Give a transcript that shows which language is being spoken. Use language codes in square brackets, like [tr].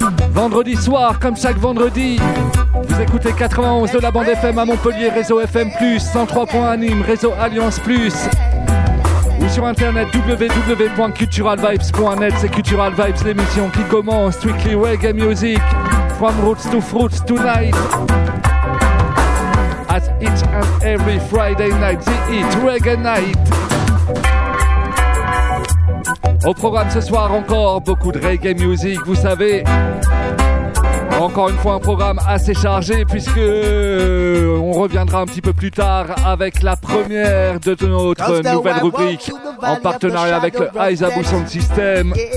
[fr] Vendredi soir, comme chaque vendredi, vous écoutez 91 de la bande FM à Montpellier, réseau FM Plus, 103.1 Nîmes, réseau Alliance Plus, ou sur internet www.culturalvibes.net. C'est Cultural Vibes, l'émission qui commence. [en] Weekly Reggae Music, from roots to fruits tonight, at each and every Friday night, the Eat Reggae Night. [fr] Au programme ce soir encore, beaucoup de reggae music, vous savez. encore une fois un programme assez chargé puisque on reviendra un petit peu plus tard avec la première de notre nouvelle rubrique en partenariat avec le Aizabou Sound System.